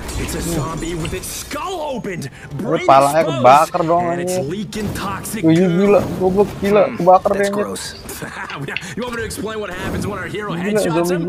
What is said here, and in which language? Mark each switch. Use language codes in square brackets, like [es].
[en] It's a zombie with its skull opened. [id] Kepalanya kebakar dong ini. Gila, goblok, gila, kebakar dia. [en] You want me to explain what happens when our hero headshots him?